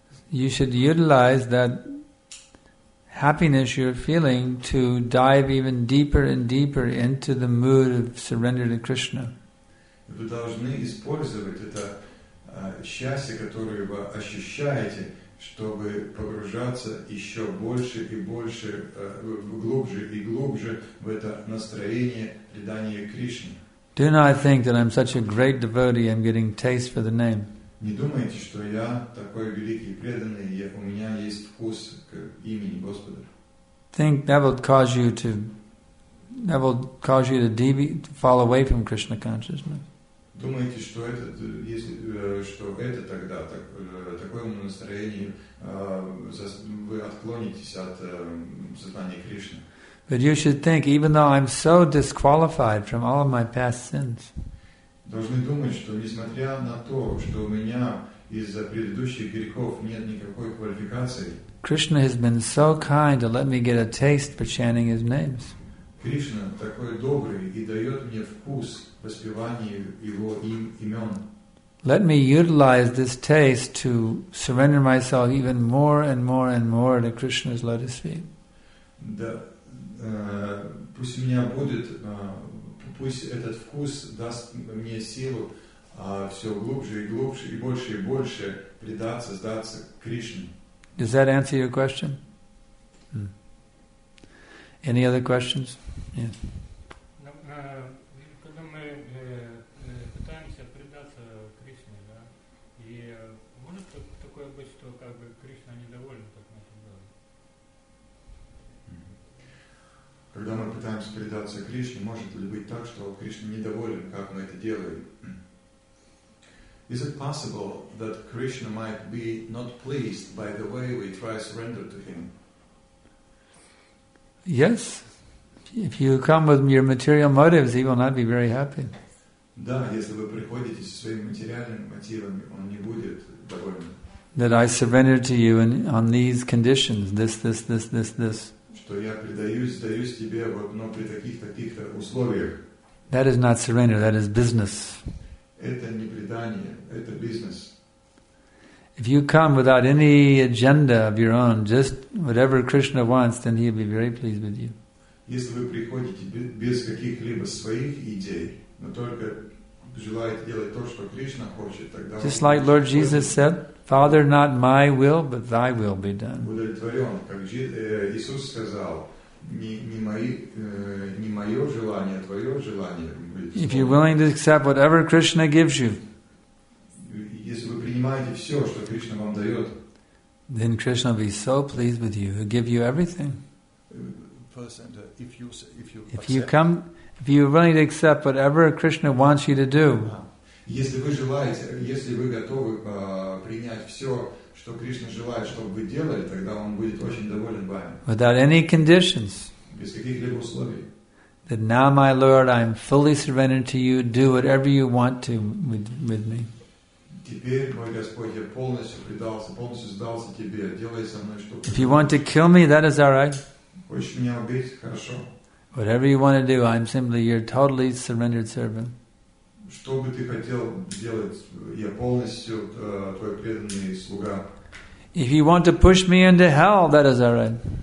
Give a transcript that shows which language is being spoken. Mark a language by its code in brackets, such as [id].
[en] You should utilize that happiness you're feeling to dive even deeper and deeper into the mood of surrender to Krishna. [ru] Вы должны использовать это счастье, которое вы ощущаете, чтобы погружаться еще больше и больше, глубже и глубже в это настроение предания Кришне. [en] Do not think that I'm such a great devotee, I'm getting taste for the name. [ru] Не думайте, что я такой великий и преданный, и у меня есть вкус к имени Господа. [en] Think that will cause you to fall away from Krishna consciousness. [ru] Думаете, что это, если, что это тогда так, такое настроение вы отклонитесь от сознания Кришны. [en] But you should think, even though I'm so disqualified from all of my past sins. [ru] Должны думать, что несмотря на то, что у меня из-за предыдущих грехов нет никакой квалификации, [en] Krishna has been so kind to let me get a taste for chanting his names. [ru] Кришна такой добрый и дает мне вкус воспевания его имен. [en] Let me utilize this taste to surrender myself even more and more and more to Krishna's lotus feet. [ru] Да, пусть у меня будет пусть этот вкус даст мне силу все глубже и глубже и больше и больше предаться, сдаться Кришне. [en] Does that answer your question? Any other questions? Yes. [ru] Когда мы пытаемся предаться Кришне, да, и может такое быть, что как бы Кришна недоволен таким делом? Когда мы пытаемся предаться Кришне, может ли быть так, что Кришна недоволен, как мы это делаем? [en] Is it possible that Krishna might be not pleased by the way we try surrender to him? Yes. If you come with your material motives, he will not be very happy. [ru] Да, если вы приходите со своими материальными мотивами, он не будет доволен. [en] That I surrender to you on these conditions, this. [ru] Что я предаюсь тебе, но при таких-то условиях. [en] That is not surrender, that is business. [ru] Это не предание, это бизнес. [en] If you come without any agenda of your own, just whatever Krishna wants, then he'll be very pleased with you. [ru] Если вы приходите без каких-либо своих идей, но только желаете делать то, что Кришна хочет, тогда... [en] Just like Lord Jesus said, Father, not my will, but thy will be done. [ru] Удовлетворен, как Иисус сказал, не мое желание, а твое желание. [en] If you're willing to accept whatever Krishna gives you, [ru] если вы принимаете все, что Кришна вам дает, [en] then Krishna will be so pleased with you, he'll give you everything. If you're willing to accept whatever Krishna wants you to do, [ru] если вы желаете, если вы готовы принять все, что Кришна желает, чтобы вы делали, тогда он будет очень доволен вами. [en] Without any conditions, [ru] без каких-либо условий. [en] That now, my Lord, I am fully surrendered to you. Do whatever you want to with me. [ru] Теперь, мой Господь, я полностью предался, полностью сдался тебе. Делай со мной что. [en] If you want to kill me, that is all right. [ru] Хочешь меня убить? Хорошо. [en] Whatever you want to do, I'm simply your totally surrendered servant. [ru] Что бы ты хотел делать, я полностью твой преданный слуга. [en] If you want to push me into hell, that is all right.